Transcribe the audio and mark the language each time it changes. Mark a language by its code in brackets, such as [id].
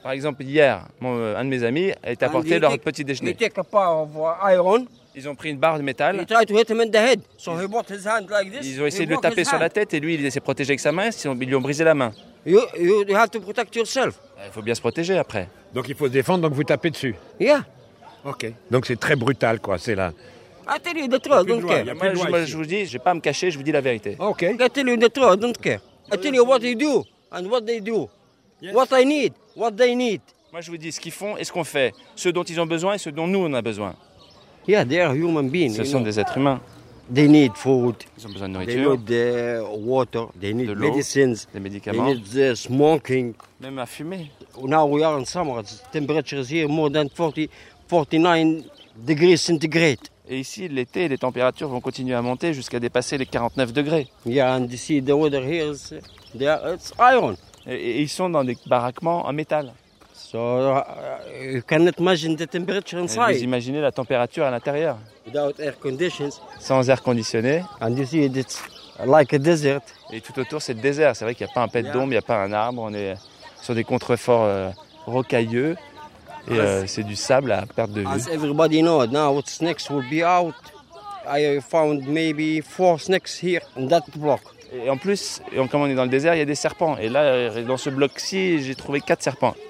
[fr] Par exemple, hier, un de mes amis a été apporté leur petit déjeuner. [en] He took a bar of iron. [fr] Ils ont pris une barre de métal. [en] He tried to hit him in the head, so he brought his hand like this. [fr] Ils ont essayé de le taper sur la tête et lui, il s'est protégé avec sa main. Sinon, ils lui ont brisé la main. [en] You have to protect yourself. [fr] Il faut bien se protéger après. Donc il faut se défendre, donc vous tapez dessus. Yeah. Ok. Donc c'est très brutal, quoi, c'est là. [en] I tell you the truth, don't care. [fr] Il y a plus de joie. Moi, je vous dis, je vais pas me cacher, je vous dis la vérité. Ok. [en] I tell you the truth, don't care. I tell you what they do and what they do. Yes. What I need, what they need. [fr] Moi, je vous dis ce qu'ils font et ce qu'on fait. Ce dont ils ont besoin et ce dont nous, on a besoin. [en] Yeah, they are human beings. [fr] Ce sont des êtres humains. [en] They need food. [fr] Ils ont besoin de nourriture. [en] They need the water. They need medicines. [fr] Des médicaments. [en] They need the smoking. [fr] Même à fumer. [en] Now we are in summer. The temperature is here more than 49 degrees centigrade. [fr] Et ici, l'été, les températures vont continuer à monter jusqu'à dépasser les 49 degrés. [en] Yeah, and you see the weather here is it's iron. [fr] Et ils sont dans des baraquements en métal. [en] So you cannot imagine the temperature inside. [fr] Vous imaginez la température à l'intérieur. [en] Without air conditions. [fr] Sans air conditionné. [en] And you see it's like a desert. [fr] Et tout autour, c'est le désert. C'est vrai qu'il n'y a pas un pet d'ombre, il n'y a pas un arbre. On est sur des contreforts rocailleux. Et c'est du sable à perte de vue. [en] As everybody knows, now what snakes will be out. I found maybe 4 snakes here in that block. [fr] Et en plus, comme on est dans le désert, il y a des serpents. Et là, dans ce bloc-ci, j'ai trouvé 4 serpents.